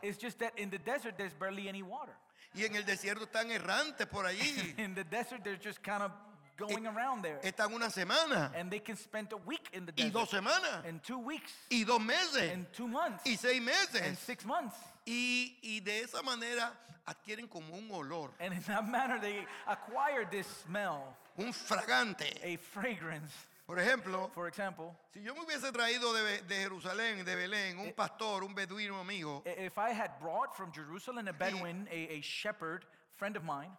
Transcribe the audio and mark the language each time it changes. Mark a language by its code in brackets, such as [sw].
[en] It's just that in the desert there's barely any water. [es] Y en el desierto están errantes por allí. [en] In the desert they're just kind of going around there. [es] Están una semana. [en] And they can spend a week in the desert. [es] Y dos semanas. [en] And 2 weeks. [es] Y dos meses. [en] And 2 months. [es] Y seis meses. [en] And 6 months. [es] Y de esa manera adquieren como un olor. [en] And in that manner they acquire this smell. [es] Un fragante. [en] A fragrance. [es] Por ejemplo, [en] for example, [es] si yo me hubiese traído de Jerusalén, de Belén, un pastor, un beduino amigo, [en] if I had brought from Jerusalem a Bedouin, a shepherd, friend of mine,